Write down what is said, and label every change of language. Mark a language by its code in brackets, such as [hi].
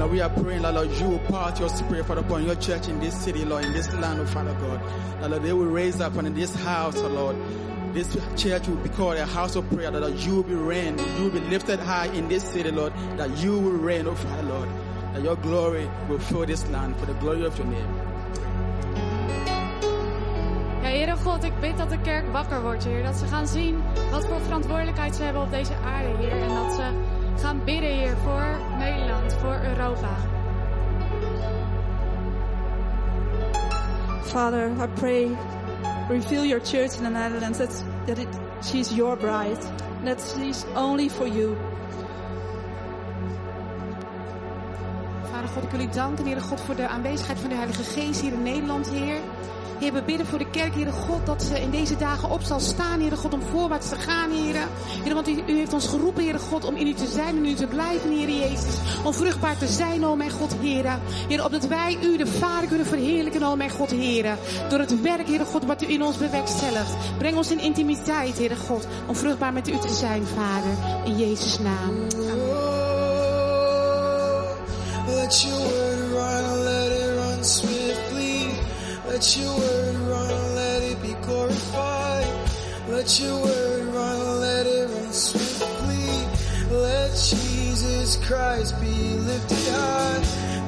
[en] Lord, we are praying, Lord, you will pour out your spirit, Father, upon your church in this city, Lord, in this land, oh, Father God. Lord, they will raise up in this house, oh, Lord. This church will be called a house of prayer, Lord, that you will be reigned, you will be lifted high in this city, Lord, that you will reign, oh, Father, Lord, that your glory will fill this land for the glory of your name. [nl] Heere God, ik bid dat de kerk wakker wordt, Heer. Dat ze gaan zien wat voor verantwoordelijkheid ze hebben op deze aarde, Heer. En dat ze gaan bidden, Heer, voor Nederland, voor Europa. [en] Father, I pray, reveal your church in the Netherlands, that she's your bride. That she's only for you. [nl] Vader God, ik wil u danken, Heere God, voor de aanwezigheid van de Heilige Geest hier in Nederland, Heer. Heer, we bidden voor de kerk, Heere God, dat ze in deze dagen op zal staan, Heere God, om voorwaarts te gaan, Heere. Heere, want u heeft ons geroepen, Heere God, om in u te zijn en in u te blijven, Heere Jezus. Om vruchtbaar te zijn, o mijn God, Heere. Heere, opdat wij u, de Vader, kunnen verheerlijken, o mijn God, Heere. Door het werk, Heere God, wat u in ons bewerkstelligt. Breng ons in intimiteit, Heere God, om vruchtbaar met u te zijn, Vader. In Jezus' naam. Amen. [en] Let your word run, let it run swiftly. Let your word run, let it be glorified. Let your word run, let it run swiftly. Let Jesus Christ be lifted high.